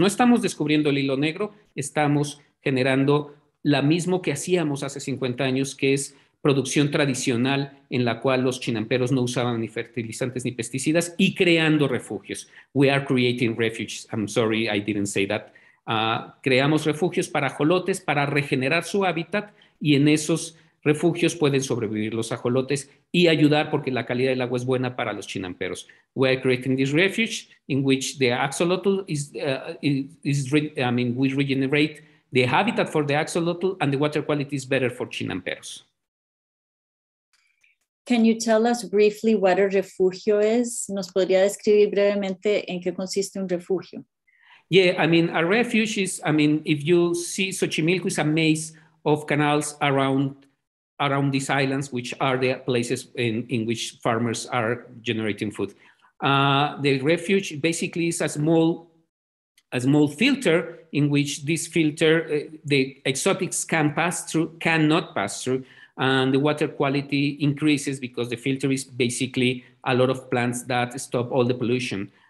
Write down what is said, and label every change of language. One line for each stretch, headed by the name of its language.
Spanish: No estamos descubriendo el hilo negro, estamos generando lo mismo que hacíamos hace 50 años, que es producción tradicional en la cual los chinamperos no usaban ni fertilizantes ni pesticidas y creando refugios.
English: We are creating refuges. I'm sorry, I didn't say that.
Spanish: Creamos refugios para ajolotes, para regenerar su hábitat y en esos refugios pueden sobrevivir los ajolotes y ayudar porque la calidad del agua es buena para los chinamperos.
English: We are creating this refuge in which the axolotl we regenerate the habitat for the axolotl and the water quality is better for chinamperos. Can you tell us briefly what a refugio is?
Spanish: ¿Nos podría describir brevemente en qué consiste un refugio?
English: Yeah, I mean, a refuge is, I mean, if you see Xochimilco is a maze of canals around these islands, which are the places in which farmers are generating food. The refuge basically is a small filter in which this filter, the exotics can pass through, cannot pass through, and the water quality increases because the filter is basically a lot of plants that stop all the pollution.